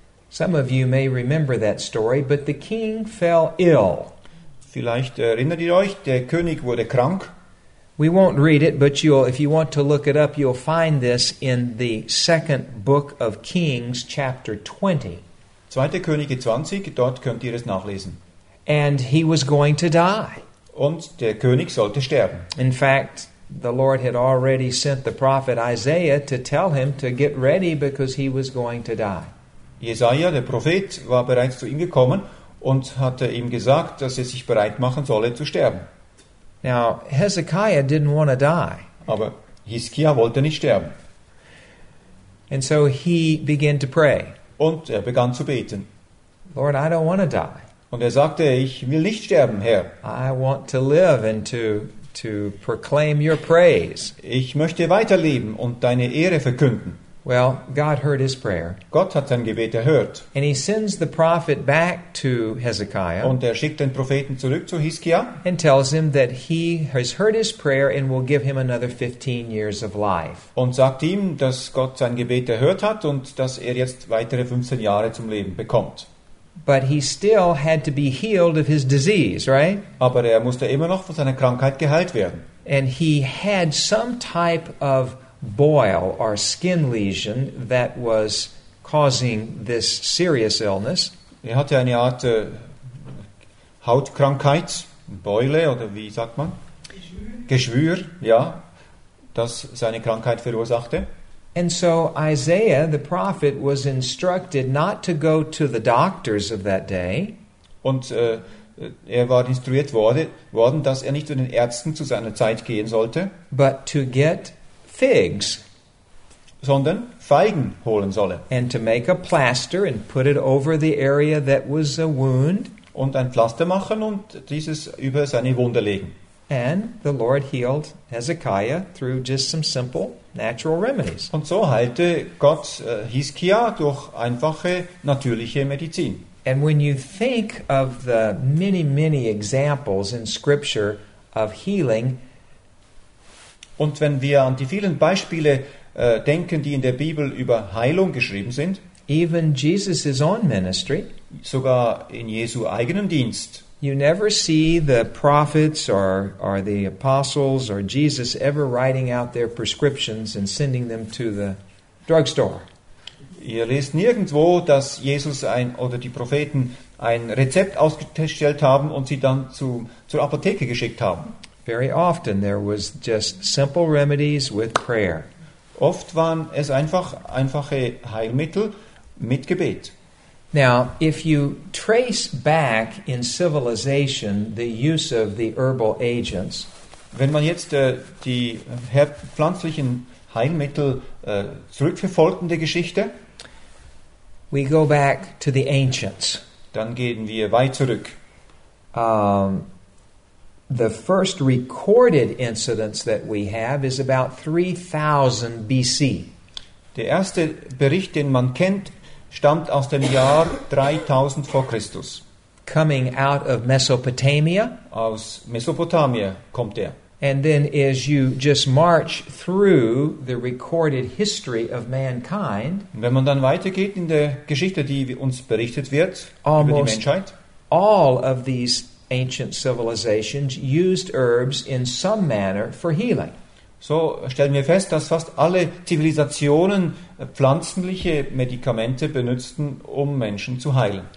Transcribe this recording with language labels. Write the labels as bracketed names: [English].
[English] Some of you may remember that story, but the king fell ill. [German] Vielleicht erinnert ihr euch, der König wurde krank. [English] We won't read it, but you'll, if you want to look it up, you'll find this in the second book of Kings, chapter 20. [German] 2. Könige 20, dort könnt ihr es nachlesen. [English] And he was going to die. [German] Und der König sollte sterben. [English] In fact, the Lord had already sent the prophet Isaiah to tell him to get ready because he was going to die. [German] Jesaja, der Prophet, war bereits zu ihm gekommen und hatte ihm gesagt, dass er sich bereit machen solle zu sterben. [English] Now, Hezekiah didn't want to die. [German] Aber Hiskia wollte nicht sterben. [English] And so he began to pray. [German] Und er begann zu beten. [English] Lord, I don't want to die. [German] Und er sagte, ich will nicht sterben, Herr. [English] I want to live and to proclaim your praise. [German] Ich möchte weiterleben und deine Ehre verkünden. [English] Well, God heard his prayer. [German] Gott hat sein Gebet erhört. [English] And he sends the prophet back to Hezekiah. [German] Und er schickt den Propheten zurück zu Hiskia. [English] And tells him that he has heard his prayer and will give him another 15 years of life. [German] Und sagt ihm, dass Gott sein Gebet erhört hat und dass er jetzt weitere 15 Jahre zum Leben bekommt. [English] But he still had to be healed of his disease, right? [German] Aber er musste immer noch von seiner Krankheit geheilt werden. [English] And he had some type of boil or skin lesion that was causing this serious illness. [German] Er hatte eine Art Hautkrankheit, Beule oder wie sagt man? Geschwür, ja, das seine Krankheit verursachte. [English] And so Isaiah, the prophet, was instructed not to go to the doctors of that day. [German] Und er war instruiert worden, dass er nicht zu den Ärzten zu seiner Zeit gehen sollte. [English] But to get figs, [German] sondern Feigen holen solle. [English] And to make a plaster and put it over the area that was a wound. [German] Und ein Pflaster machen und dieses über seine Wunde legen. [English] And the Lord healed Hezekiah through just some simple natural remedies. [German] Und so heilte Gott Hiskia durch einfache natürliche Medizin. [English] And when you think of the many, many examples in Scripture of healing. [German] Und wenn wir an die vielen Beispiele denken, die in der Bibel über Heilung geschrieben sind, [English] even Jesus' own ministry, [German] sogar in Jesu eigenen Dienst, [English] you never see the prophets or the apostles or Jesus ever writing out their prescriptions and sending them to the drugstore. [German] Ihr lest nirgendwo, dass Jesus ein oder die Propheten ein Rezept ausgestellt haben und sie dann zur Apotheke geschickt haben. [English] Very often there was just simple remedies with prayer. [German] Oft waren es einfache Heilmittel mit Gebet. [English] Now, if you trace back in civilization the use of the herbal agents, [German] wenn man jetzt die pflanzlichen Heilmittel zurückverfolgt in der Geschichte, [English] we go back to the ancients. [German] Dann gehen wir weit zurück. [English] The first recorded incidents that we have is about 3000 BC. [German] Der erste Bericht, den man kennt, stammt aus dem Jahr 3000 vor Christus. [English] Coming out of Mesopotamia. [German] Aus Mesopotamia kommt er. [English] And then as you just march through the recorded history of mankind. [German] Wenn man dann weitergeht in der Geschichte, die uns berichtet wird über die Menschheit. [English] All of these ancient civilizations used herbs in some manner for healing. [German] So stellen wir fest, dass fast alle Zivilisationen pflanzliche Medikamente benutzten, um Menschen zu heilen.